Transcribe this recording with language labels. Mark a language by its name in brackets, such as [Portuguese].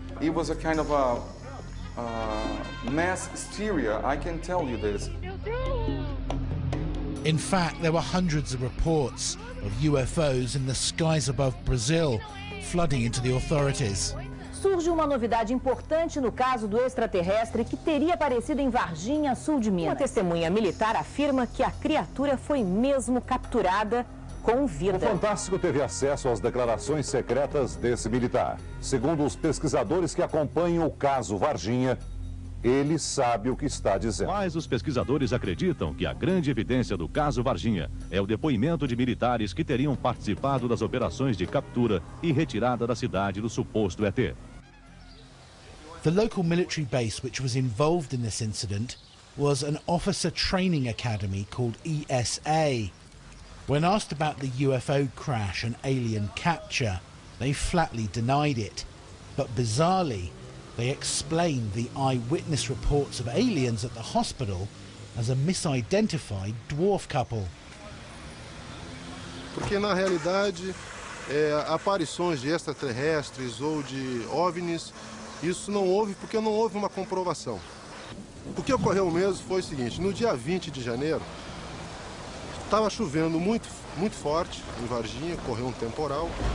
[English] It was a kind of a mass hysteria, I can tell you this. In fact, there were hundreds of reports of UFOs in the skies above Brazil, flooding into the authorities. [Portuguese] Surge uma novidade importante no caso do extraterrestre que teria aparecido em Varginha, sul de Minas. Uma testemunha militar afirma que a criatura foi mesmo capturada com vida. O Fantástico teve acesso às declarações secretas desse militar. Segundo os pesquisadores que acompanham o caso Varginha, ele sabe o que está dizendo. Mas os pesquisadores acreditam que a grande evidência do caso Varginha é o depoimento de militares que teriam participado das operações de captura e retirada da cidade do suposto ET. [English] The local military base which was involved in this incident was an officer training academy called ESA. When asked about the UFO crash and alien capture, they flatly denied it. But bizarrely, they explained the eyewitness reports of aliens at the hospital as a misidentified dwarf couple. [Portuguese] Porque na realidade, aparições de extraterrestres ou de OVNIs, isso não houve porque não houve uma comprovação. O que ocorreu mesmo foi o seguinte: no dia 20 de janeiro, estava chovendo muito, muito forte em Varginha, correu um temporal.